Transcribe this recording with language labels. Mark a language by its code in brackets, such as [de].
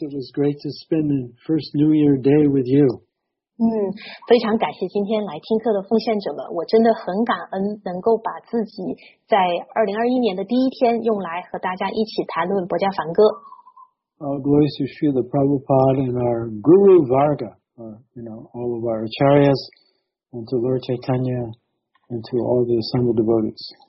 [en] It was great to spend the first New Year day with you. [zh] 非常感谢今天来听课的奉献者们，我真的很感恩能够把自己在2021年的第一天用来和大家一起谈论博伽梵歌。 [en] All glories to Srila Prabhupada and our Guru Varga, all of our Acharyas, and to Lord Chaitanya, and to all the assembled devotees.